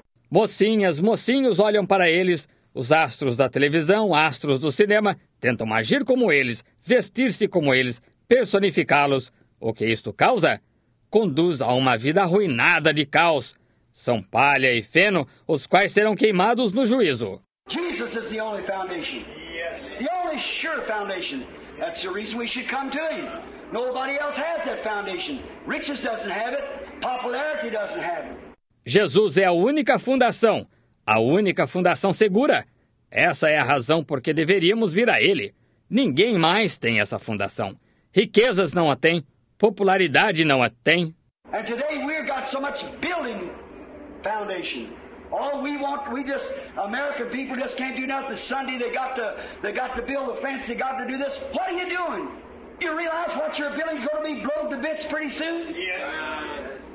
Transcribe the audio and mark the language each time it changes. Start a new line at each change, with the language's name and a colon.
Portuguese: Mocinhas, mocinhos olham para eles, os astros da televisão, astros do cinema, tentam agir como eles, vestir-se como eles, personificá-los. O que isto causa? Conduz a uma vida arruinada de caos. São palha e feno, os quais serão queimados no juízo.
English: Jesus is the only foundation. The only sure foundation. That's the reason we should come to him. Nobody else has that foundation. Riches doesn't have it. Popularity doesn't have it.
Portuguese: Jesus é a única fundação segura. Essa é a razão porque deveríamos vir a ele. Ninguém mais tem essa fundação. Riquezas não a tem, popularidade não a tem.
English: And today we've got so much building foundation. All we want, we just, American people just can't do nothing. Sunday they got to build a fence, they got to do this. What are you doing? You realize what your building's going to be blown to bits pretty soon? Yeah.